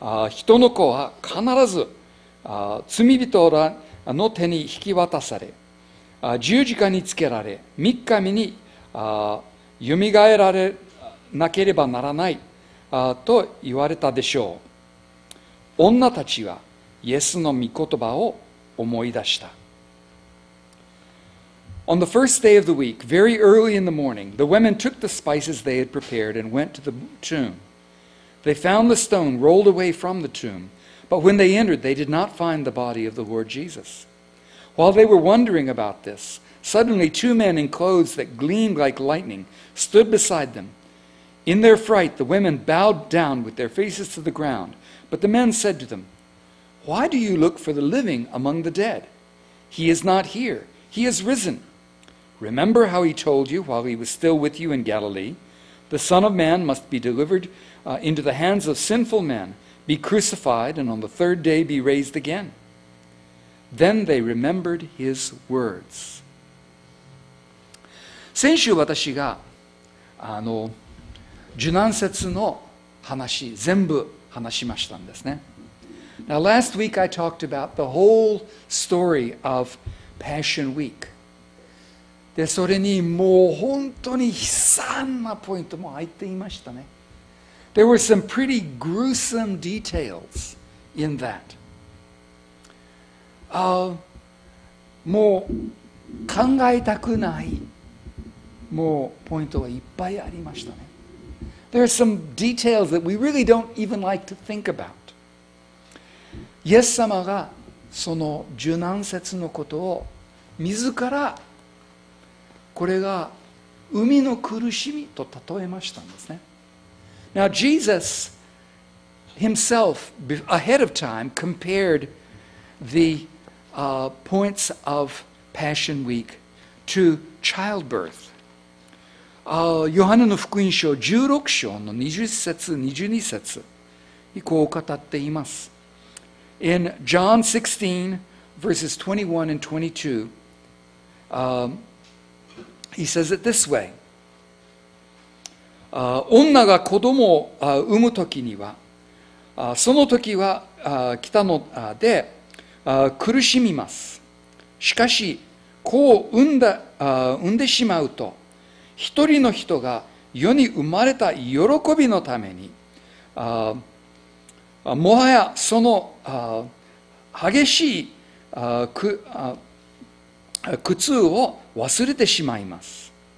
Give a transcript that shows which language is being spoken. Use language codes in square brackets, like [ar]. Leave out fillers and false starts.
[ja] 人の子は必ず罪人らの手に引き渡され、十字架につけられ、三日目によみがえられなければならないと言われたでしょう。女たちはイエスの御言葉を思い出した。 [en] On the first day of the week, very early in the morning, the women took the spices they had prepared and went to the tomb. They found the stone rolled away from the tomb, but when they entered, they did not find the body of the Lord Jesus. While they were wondering about this, suddenly two men in clothes that gleamed like lightning stood beside them. In their fright, the women bowed down with their faces to the ground, but the men said to them, Why do you look for the living among the dead? He is not here. He has risen. Remember how he told you while he was still with you in Galilee, The Son of Man must be delivered into the hands of sinful men, be crucified, and on the third day be raised again. Then they remembered his words. [ja] 先週私が受難節の話全部話しましたんですね。 [en] Now last week I talked about the whole story of Passion Week. [ja] でそれにもう本当に悲惨なポイントも入っていましたね。 [en] There were some pretty gruesome details in that. [ja] もう考えたくないもうポイントがいっぱいありましたね。 [en] There are some details that we really don't even like to think about. [ja] イエス様がその受難節のことを自らこれが海の苦しみと例えましたんですね。 [en] Now Jesus himself ahead of time compared the points of Passion Week to childbirth. [ja] ヨハネの福音書16章の20節22節にこう語っています。 [en] In John 16 verses 21 and 22 he says it this way、 [ja] 女が子供を産むときにはその時は来たので苦しみます。しかし子を産んでしまうと一人の人が世に生まれた喜びのためにもはやその激しい苦痛を忘れてしまいます。